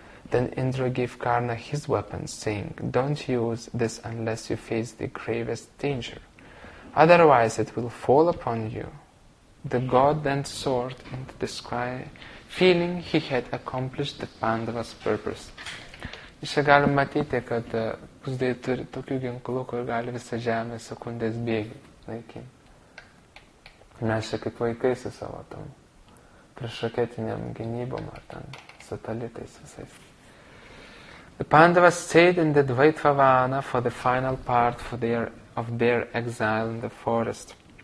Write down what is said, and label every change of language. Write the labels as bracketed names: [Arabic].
[English] Then Indra gave Karna his weapon, saying, Don't use this unless you face the gravest danger. Otherwise it will fall upon you. The god then soared into the sky, feeling he had accomplished the Pandava's purpose. [Lithuanian] Čia galim matyti, kad pusdai turi tokių ginklų, kur gali visą žemę sekundės bėgį laikyti. Mes čia kaip vaikai su savo tom priešraketiniam gynybom ar ten satelitais visais. [English] The Pandavas stayed in the Dvaitvavana for the final part of their exile in the forest.